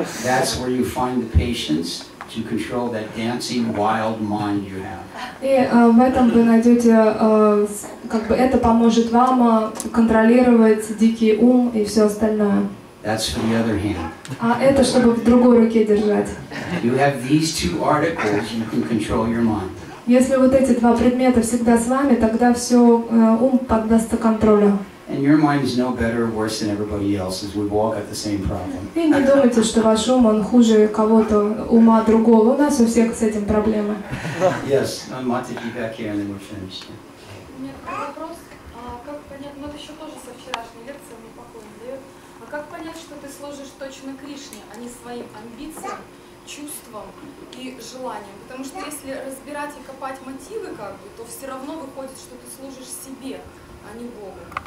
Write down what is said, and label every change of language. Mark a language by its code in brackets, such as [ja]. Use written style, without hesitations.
[en] That's where you find the patience to control that dancing wild mind you have. [ru] И в этом вы найдете, как бы это поможет вам контролировать дикий ум и все остальное. [en] That's for the other hand. [ru] А это чтобы в другой руке держать. [en] You have these two articles, you can control your mind. [ru] Если вот эти два предмета всегда с вами, тогда все ум поддастся контролю. [en] And your mind is no better or worse than everybody else's. We've all got the same problem. [ru] И не думайте, что ваш ум он хуже кого-то ума другого. У нас у всех с этим проблемы. [en] Yes, I'm Matiki back here, and then we're finished. [ru] У меня такой вопрос, как понятно, еще тоже со вчерашней лекции не похоже. Как понять, что ты служишь точно Кришне, а не своим амбициям, чувствам и желаниям? Потому что если разбирать и копать мотивы, как бы, то все равно выходит, что ты служишь себе, а не Богу.